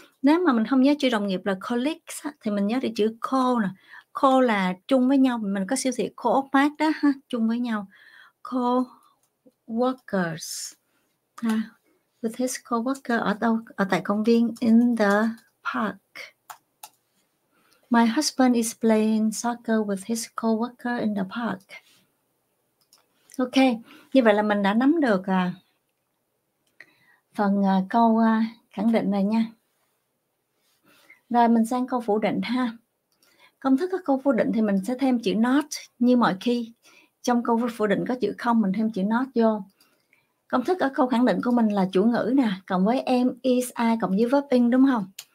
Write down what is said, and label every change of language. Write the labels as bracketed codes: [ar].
[vi] Nếu mà mình không nhớ chữ đồng nghiệp là colleagues thì mình nhớ được chữ co nè. Co là chung với nhau. Mình có siêu thị co-op-mart đó ha. Chung với nhau. [en] Co workers ha, with his co-worker [vi] ở đâu, ở tại công viên, [en] in the park. My husband is playing soccer with his co-worker in the park. [vi] Ok, như vậy là mình đã nắm được phần câu khẳng định này nha. Rồi mình sang câu phủ định ha. Công thức các câu phủ định thì mình sẽ thêm chữ not như mọi khi. Trong câu phủ định có chữ không, mình thêm chữ not vô. Công thức ở câu khẳng định của mình là chủ ngữ nè, cộng với em, is, I, cộng với verb in, đúng không?